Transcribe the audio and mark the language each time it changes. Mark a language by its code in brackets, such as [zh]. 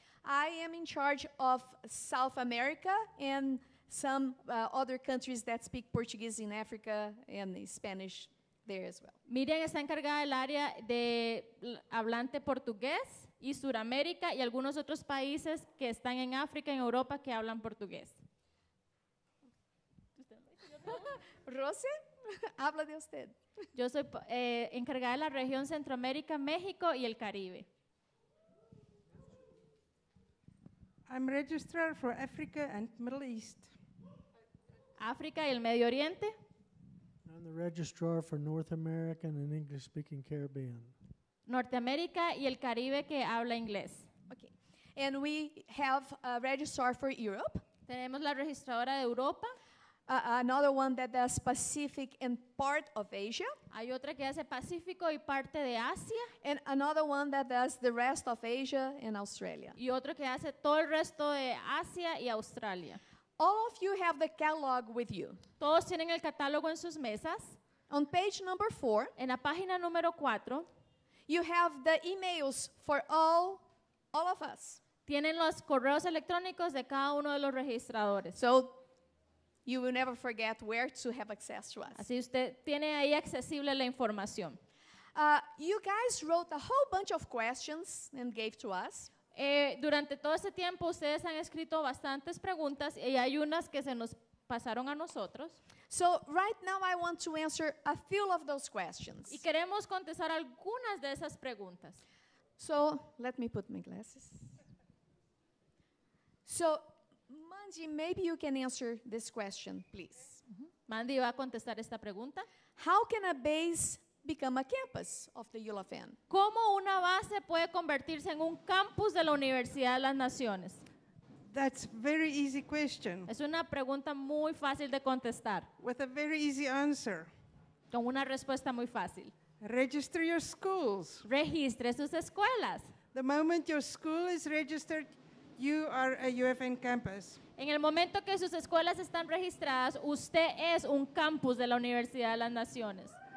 [en] I am in charge of South America and some other countries that speak Portuguese in Africa and Spanish there as well. [es] Miriam está encargada del área de hablante portugués y Sudamérica y algunos otros países que están en África y en Europa que hablan portugués. Rose, habla de usted. Yo soy encargada de la región Centroamérica, México y el Caribe. [en] I'm registrar for Africa and Middle East. [es] África y el Medio Oriente. [en] I'm the registrar for North American and English-speaking Caribbean. [es] Norteamérica y el Caribe que habla inglés. [en] Okay. And we have a registrar for Europe. [es] Tenemos la registradora de Europa. [en] another one that does Pacific and part of Asia. [es] Hay otra que hace Pacífico y parte de Asia. [en] And another one that does the rest of Asia and Australia. [es] Y otro que hace todo el resto de Asia y Australia. [en] All of you have the catalog with you. [es] Todos tienen el catálogo en sus mesas. [en] On page number 4, [es] en la página número 4, [en] you have the emails for all of us. [es] Tienen los correos electrónicos de cada uno de los registradores. [en] So you will never forget where to have access to us. [es] Así usted tiene ahí accesible la información. [en] You guys wrote a whole bunch of questions and gave to us. [es] Durante todo este tiempo ustedes han escrito bastantes preguntas y hay unas que se nos pasaron a nosotros. [en] So right now I want to answer a few of those questions. [es] Y queremos contestar algunas de esas preguntas. [en] So let me put my glasses. So Mandy, maybe you can answer this question, please. [es] Mm-hmm. Mandy va a contestar esta pregunta. [en] How can a base become a campus of the UofN? [es] ¿Cómo una base puede convertirse en un campus de la Universidad de las Naciones? [en] That's a very easy question. [es] Es una pregunta muy fácil de contestar. [en] With a very easy answer. [es] Con una respuesta muy fácil. [en] Register your schools. [es] Registre sus escuelas. [en] The moment your school is registered, you are a UofN campus. [es] En el momento que sus escuelas están registradas, usted es un campus de la Universidad de las Naciones.